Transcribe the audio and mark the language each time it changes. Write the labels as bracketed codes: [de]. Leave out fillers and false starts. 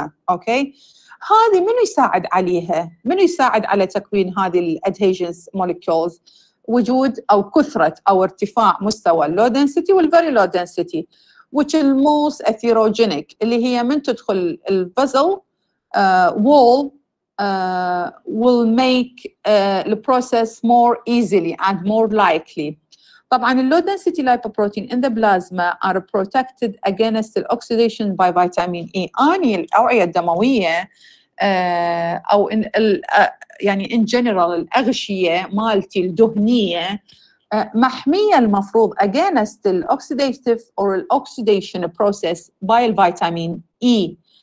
[ar] اوكي؟ هذه منو يساعد عليها؟ منو يساعد على تكوين هذه الادهيجن موليكيولز؟ وجود او كثرة او ارتفاع مستوى اللو دنسيتي والفيري لو دنسيتي، [en] which is most atherogenic، [ar] اللي هي من تدخل البازل وول [en] will make the process more easily and more likely. [ar] طبعاً [en] the low density lipoprotein in the plasma are protected against the oxidation by vitamin E. [ar] أني الأوعية الدموية أو [en] in [ar] يعني [en] in general [ar] الأغشية مالتي الدهنية محمية المفروض [en] against the oxidative or the oxidation process by the vitamin E.